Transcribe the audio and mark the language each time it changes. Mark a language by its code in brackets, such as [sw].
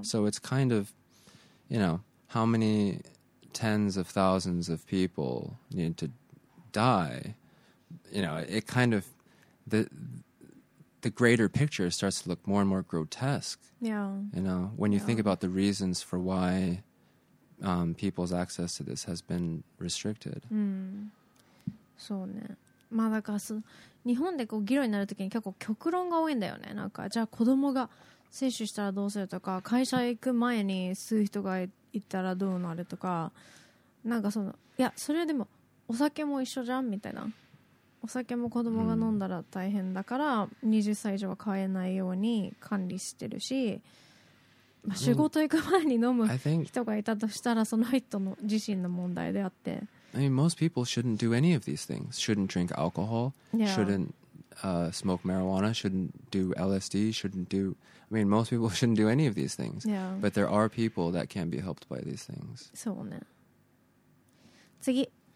[en] So it's kind of, you know, how many tens of thousands of people need to die? You know, it kind of, the greater picture starts to look more and more grotesque. Yeah. You know, when you think about the reasons for why people's access to this has been restricted. [ja] そうね。まあだから日本でこう議論になるときに結構極論が多いんだよね。なんかじゃあ子供が接種したらどうするとか、会社行く前に吸う人がいたらどうなるとか、なんかその、いやそれでもお酒も一緒じゃんみたいな。お酒も子供が飲んだら大変だから、20歳以上は買えないように管理してるし、まあ、仕事行く前に飲む人がいたとしたらその人の自身の問題であって、 [en] I mean, most people shouldn't do any of these things. Shouldn't drink alcohol, shouldn't smoke marijuana, shouldn't do LSD, shouldn't do, I mean, most people shouldn't do any of these things. But there are people that can be helped by these things. [ja] そうね。次、